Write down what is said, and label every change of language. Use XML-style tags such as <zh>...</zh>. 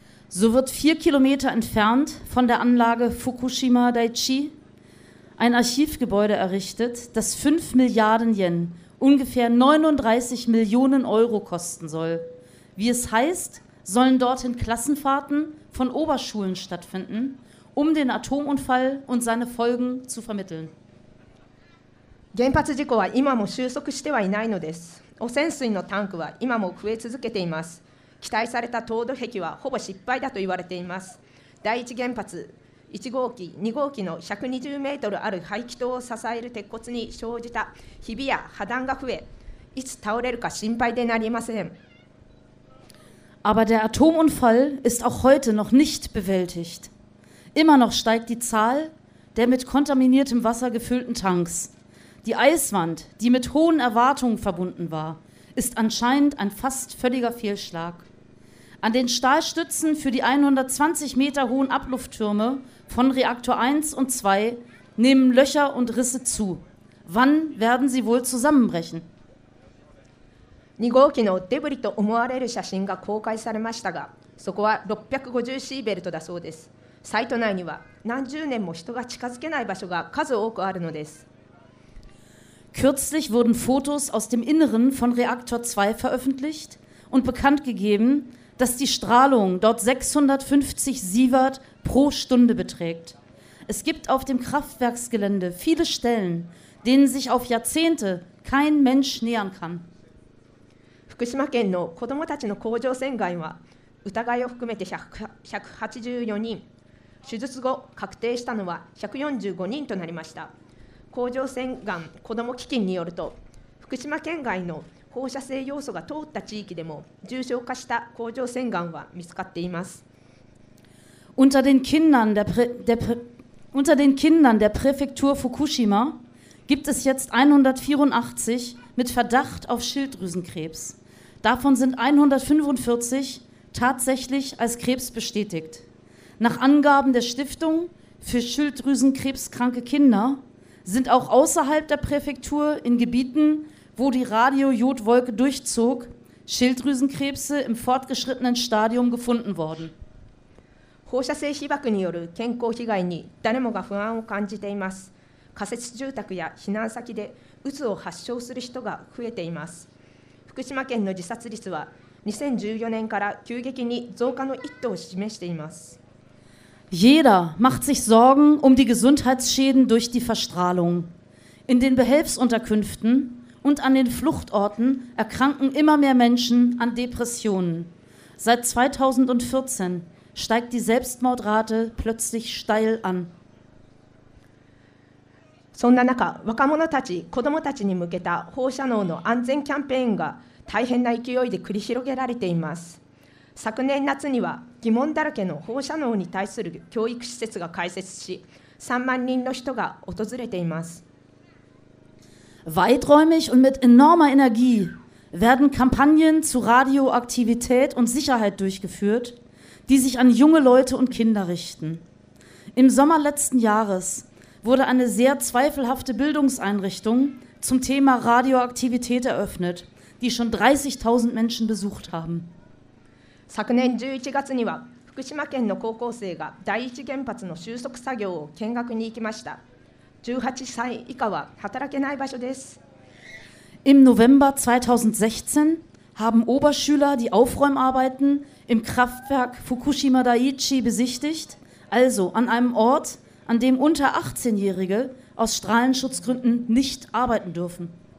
<de>So wird 4 Kilometer entfernt von der Anlage Fukushima Daiichi ein Archivgebäude errichtet, das 5 Milliarden Yen, ungefähr 39 Millionen Euro kosten soll. Wie es heißt, sollen dorthin Klassenfahrten von Oberschulen stattfinden, um den Atomunfall und seine Folgen zu vermitteln.</de> <ja>原発事故は今も収束してはいないのです。汚染水のタンクは今も増え続けています。期待された凍土壁はほぼ失敗だと言われています。第一原発1号機、2号機の120メートルある排気塔を支える鉄骨に生じたひびや破断が増え、いつ倒れるか心配でなりません。</ja> <de>Aber der Atomunfall ist auch heute noch nicht bewältigt. Immer noch steigt die Zahl der mit kontaminiertem Wasser gefüllten Tanks. Die Eiswand, die mit hohen Erwartungen verbunden war, ist anscheinend ein fast völliger Fehlschlag. An den Stahlstützen für die 120 Meter hohen Ablufttürme von Reaktor 1 und 2 nehmen Löcher und Risse zu. Wann werden sie wohl zusammenbrechen?</de> <ja>2号機のデブリと思われる写真が公開されましたが、そこは650シーベルトだそうです。サイト内には何十年も人が近づけない場所が数多くあるのです。</ja> <de>Kürzlich wurden Fotos aus dem Inneren von Reaktor 2 veröffentlicht und bekannt gegeben, dass die Strahlung dort 650 Sievert pro Stunde beträgt. Es gibt auf dem Kraftwerksgelände viele Stellen, denen sich auf Jahrzehnte kein Mensch nähern kann.</de> <ja>福島県の子どもたちの甲状腺がんは疑いを含めて184人、手術後確定したのは145人となりました。甲状腺がん子ども基金によると、福島県外の放射性要素が通った地域でも重症化した甲状腺がんは見つかっています。</ja> <de>Unter den Kindern der Präfektur Fukushima gibt es jetzt 184 mit Verdacht auf Schilddrüsenkrebs. Davon sind 145 tatsächlich als Krebs bestätigt. Nach Angaben der Stiftung für Schilddrüsenkrebskranke Kinder sind auch außerhalb der Präfektur in Gebieten, wo die Radiojodwolke durchzog, Schilddrüsenkrebse im fortgeschrittenen Stadium gefunden worden.</de> <ja>放射性被曝による健康被害に誰もが不安を感じています。仮設住宅や避難先でうつを発症する人が増えています。福島県の自殺率は2014年から急激に増加の一途を示しています。</ja> <de>Jeder macht sich Sorgen um die Gesundheitsschäden durch die Verstrahlung. In den Behelfsunterkünften und an den Fluchtorten erkranken immer mehr Menschen an Depressionen. Seit 2014 steigt die Selbstmordrate plötzlich steil an.</de> <ja>そんな中、若者たち、子どもたちに向けた放射能の安全キャンペーンが大変な勢いで繰り広げられています。昨年夏には疑問だらけの放射能に対する教育施設が開設し、3万人の人が訪れています。</ja> <de>Weiträumig und mit enormer Energie werden Kampagnen zu Radioaktivität und Sicherheit durchgeführt, die sich an junge Leute und Kinder richten. Im Sommer letzten Jahres wurde eine sehr zweifelhafte Bildungseinrichtung zum Thema Radioaktivität eröffnet, die schon 30.000 Menschen besucht haben.</de> <ja>昨年11月には福島県の高校生が第一原発の収束作業を見学に行きました。 18歳以下は働けない場所です。</ja> <de>Im November 2016 haben Oberschüler die Aufräumarbeiten im Kraftwerk Fukushima Daiichi besichtigt, also an einem Ort,an dem unter 18-Jährige aus Strahlenschutzgründen nicht arbeiten dürfen.</de>